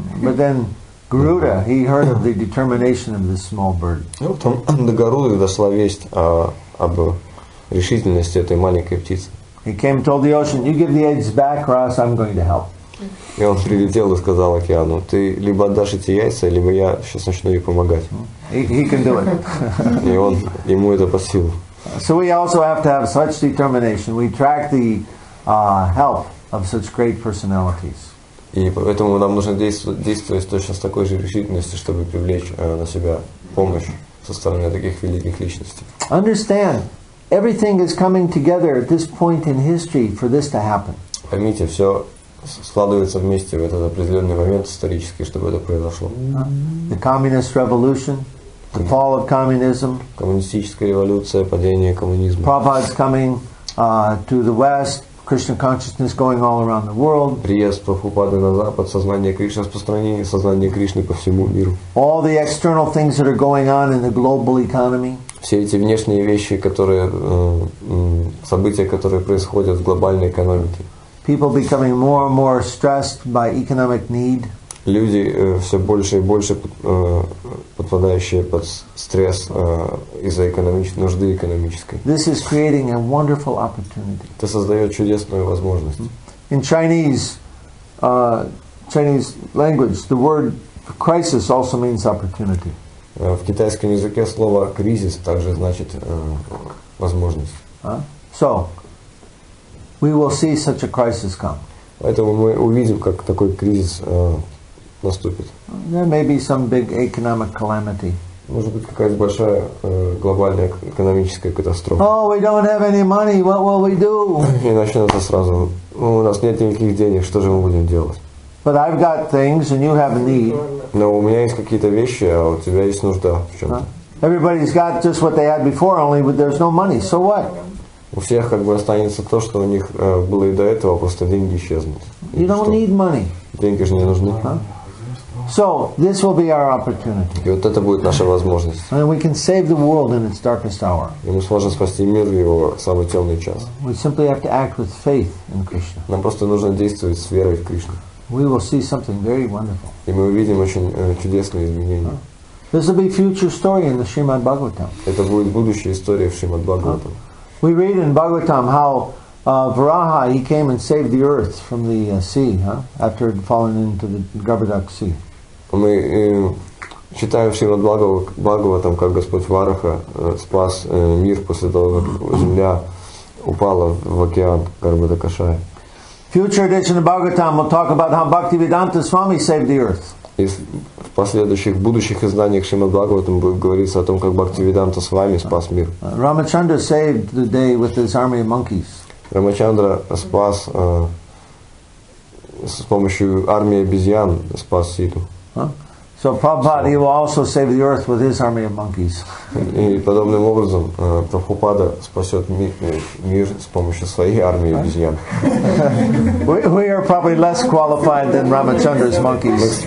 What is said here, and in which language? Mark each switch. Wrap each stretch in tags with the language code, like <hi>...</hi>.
<en>But then Garuda, he heard of the determination of this small bird.</en> <ru>И вот он до Гаруды дошла весть об решительности этой маленькой птицы.</ru> <en>He came and told the ocean, "You give the eggs back, or else I'm going to help."</en> <ru>И он прилетел и сказал океану: "Ты либо отдашь эти яйца, либо я сейчас начну ей помогать."</ru> <en>He can do it.</en> <ru>И он ему это по силу.</ru> <en>So we also have to have such determination. We track the help of such great personalities.</en> <ru>И поэтому нам нужно действовать точно с такой же решительностью, чтобы привлечь на себя помощь со стороны таких великих личностей.</ru> <en>Understand. Everything is coming together at this point in history for this to happen.</en> <ru>Поймите, все складывается вместе в этот определенный момент исторический, чтобы это произошло.</ru> <en>The communist revolution, the fall of communism.</en> <ru>Коммунистическая революция, падение коммунизма.</ru> <en>Prabhupada's coming to the West, Krishna consciousness going all around the world.</en> <ru>Приезд Прабхупады на Запад, сознание Кришны распространение, сознание Кришны по всему миру.</ru> <en>All the external things that are going on in the global economy.</en> <ru>Все эти внешние вещи, которые события, которые происходят в глобальной экономике.</ru> <en>People becoming more and more stressed by economic need.</en> <ru>Люди все больше и больше подпадающие под стресс из-за нужды экономической.</ru> <en>This is creating a wonderful opportunity.</en> <ru>Это создает чудесную возможность.</ru> <en>In Chinese, Chinese language, the word crisis also means opportunity.</en> <ru>В китайском языке слово кризис также значит возможность.</ru> <en>So we will see such a crisis come.</en> <ru>Поэтому мы увидим, как такой кризис наступит.</ru> <en>There may be some big economic calamity.</en> <ru>Может быть, какая-то большая глобальная экономическая катастрофа.</ru> <en>Oh, we don't have any money. What will we do?</en> <ru>И начнется сразу: ну, у нас нет никаких денег, что же мы будем делать?</ru> <en>But I've got things, and you have a need.</en> <ru>Но у меня есть какие-то вещи, а у тебя есть нужда в чем-то.</ru> <en>Everybody's got just what they had before, only there's no money. So what?</en> <ru>У всех как бы останется то, что у них было и до этого, просто деньги исчезнут.</ru> <en>You don't need money.</en> <ru>Деньги же не нужны.</ru> <en>So this will be our opportunity.</en> <ru>И вот это будет наша возможность.</ru> <en>And we can save the world in its darkest hour.</en> <ru>И мы сможем спасти мир в его самый темный час.</ru> <en>We simply have to act with faith in Krishna.</en> <ru>Нам просто нужно действовать с верой в Кришну.</ru> <en>We will see something very wonderful.</en> <ru>И мы увидим очень чудесные изменения.</ru> <en>This will be future story in the Srimad Bhagavatam.</en> <ru>Это будет будущая история в Шримад Бхагаватам.</ru> <en>We read in Bhagavatam how Varaha he came and saved the earth from the sea, after it had fallen into the Garbhodak Sea.</en> <ru>Мы читаем в Шримад Бхагаватам, как Господь Вараха спас мир после того, как земля упала в океан Гарбхадакашая.</ru> <en>Future edition of Bhagavatam will talk about how Bhaktivedanta Swami saved the earth.</en> <ru>В последующих будущих изданиях Шримад Бхагаватам будет говориться о том, как Бхактивиданта Свами спас мир.</ru> <en>Рамачандра saved the day with his army of monkeys.</en> <ru>Рамачандра спас с помощью армии обезьян спас Ситу.</ru> <en>So Prabhupada he will also save the earth with his army of monkeys.</en> <ru>И подобным образом Прабхупада спасет мир с помощью своей армии обезьян.</ru> <en>We are probably less qualified than Ramachandra's monkeys.</en>